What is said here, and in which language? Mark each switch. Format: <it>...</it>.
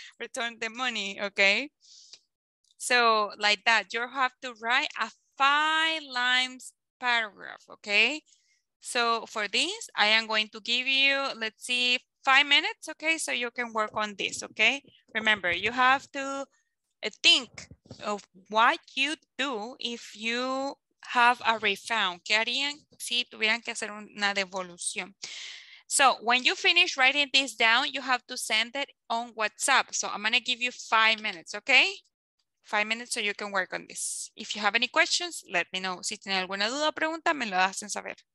<en>Return the money, okay? So like that, you have to write a 5 lines paragraph, okay? So for this, I am going to give you, let's see, 5 minutes, okay? So you can work on this, okay? Remember, you have to think of what you do if you have a refund.</en> <es>¿Qué harían si tuvieran que hacer una devolución?</es> <en>So when you finish writing this down, you have to send it on WhatsApp. So I'm going to give you 5 minutes, okay? 5 minutes so you can work on this. If you have any questions, let me know.</en> <es>Si tienen alguna duda o pregunta, me lo hacen saber.</es>